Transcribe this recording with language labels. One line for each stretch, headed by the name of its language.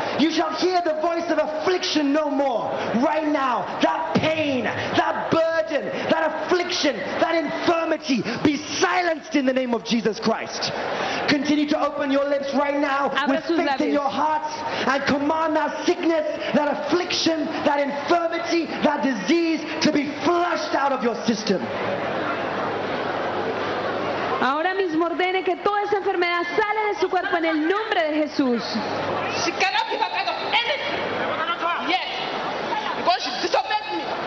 English: You shall hear the voice of affliction no more. Right now, that pain, that burden, that affliction, that infirmity, be silenced in the name of Jesus Christ. Continue to open your lips right now with faith in your hearts and command that sickness, that affliction, that infirmity, that disease to be flushed out of your system.
Spanish: Ahora mismo ordene que toda esa enfermedad sale de su cuerpo en el nombre de Jesús.
English: She cannot keep up anything. Yes. Because she disobeyed me.